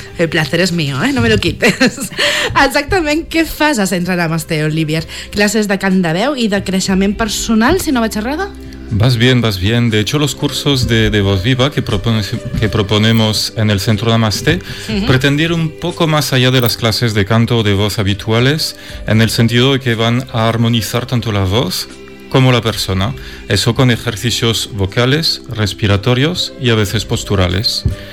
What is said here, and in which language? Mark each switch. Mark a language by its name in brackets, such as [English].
[Spanish] El placer es mío, no me lo quites. [Catalan] Exactament, què fas a Centre Namasté, Olivier? Classes de cant de veu i de creixement personal, si no vaig errada? [Spanish] Vas bien, de hecho los cursos de Voz Viva que proponemos en el Centro Namasté pretendieron un poco más allá de las clases de canto o de voz habituales, en el sentido de que van a armonizar tanto la voz como la persona, eso con ejercicios vocales, respiratorios y a veces posturales.